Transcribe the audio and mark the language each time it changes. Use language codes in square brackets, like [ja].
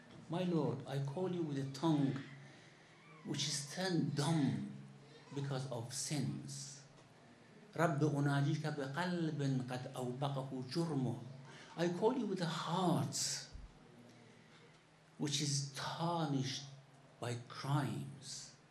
[en] My Lord, I call you with a tongue which is turned dumb because of sins. [ar] رب أناجيك بقلب قد أوبقه جرمه. [en] I call you with a heart which is tarnished by crimes.